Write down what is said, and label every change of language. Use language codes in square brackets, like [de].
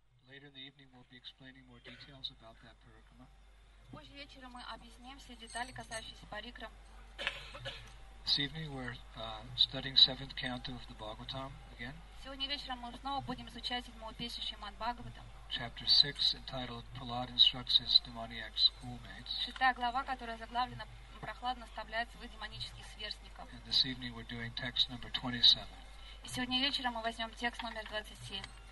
[en] later in the evening we'll be explaining more details about that parikrama. [ru] Позже вечером мы объясним все детали, касающиеся парикрам. [en] This evening we're studying seventh canto of the Bhagavatam again. [ru] Сегодня вечером мы снова будем изучать седьмую песню Шримад Бхагаватам. [en] Chapter 6 entitled Prahlad instructs his demoniac schoolmates. [ru] Шестая глава, которая заглавлена Прохлад наставляет своих демонических сверстников. [en] And this evening we're doing text number 27. [ru] И сегодня вечером мы возьмем текст номер 27.